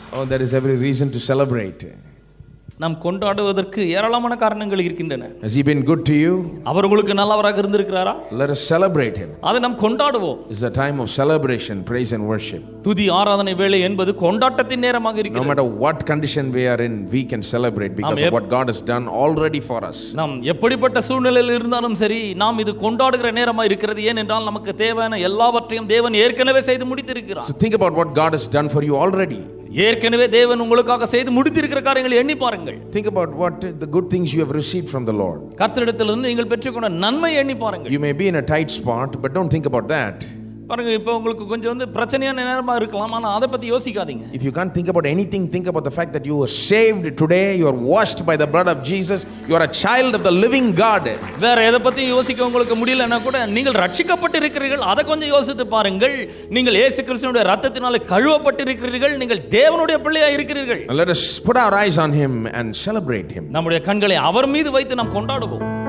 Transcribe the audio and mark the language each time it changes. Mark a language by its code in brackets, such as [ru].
[en] There is every reason to celebrate. [ta] நாம் கொண்டாடுவதற்கு ஏராளமான காரணங்கள் இருக்கின்றன. [en] Has he been good to you? [ta] அவர் உங்களுக்கு நல்லவராக இருந்திருக்கிறாரா? [en] Let us celebrate him. [ta] அதை நாம் கொண்டாடுவோம். [en] It's a time of celebration, praise and worship. [ta] துதி ஆராதனை வேளை என்பது கொண்டாட்டத்தின் நேரமாக இருக்கிறது. [en] No matter what condition we are in, we can celebrate because of what God has done already for us. [ta] நாம் எப்படிப்பட்ட சூழ்நிலையில் இருந்தாலும் சரி, நாம் இது கொண்டாடுகிற நேரமாக இருக்கிறது. ஏனென்றால் நமக்கு தேவையான எல்லாவற்றையும் தேவன் ஏற்கனவே செய்து முடித்திருக்கிறார். [en] So think about what God has done for you already. [ta] ஏற்கனவே தேவன் உங்களுக்காக செய்து முடித்திருக்கிற காரியங்களை எண்ணி பாருங்கள். [en] Think about what the good things you have received from the Lord. [ta] கர்த்தரிடத்திலிருந்து நீங்கள் பெற்றுக்கொண்ட நன்மை எண்ணி பாருங்கள். [en] You may be in a tight spot, but don't think about that. [ta] பாருங்க, இப்ப உங்களுக்கு கொஞ்சம் வந்து பிரச்சனையான நேரமா இருக்கலாம், ஆனா அதை பத்தி யோசிக்காதீங்க. [en] If you can't think about anything, think about the fact that you are saved today, you are washed by the blood of Jesus, you are a child of the living God. [ta] வேற எதை பத்தி யோசிக்க உங்களுக்கு முடியலன்னா கூட நீங்கள் ரட்சிக்கப்பட்டிருக்கிறீர்கள், அதை கொஞ்சம் யோசித்து பாருங்கள். நீங்கள் இயேசு கிறிஸ்துவின் ரத்தத்தினால கழுவப்பட்டிருக்கிறீர்கள், நீங்கள் தேவனுடைய பிள்ளையா இருக்கிறீர்கள். [en] Let us put our eyes on him and celebrate him. [ta] நம்முடைய கண்களை அவர் மீது வைத்து நாம் கொண்டாடுவோம்.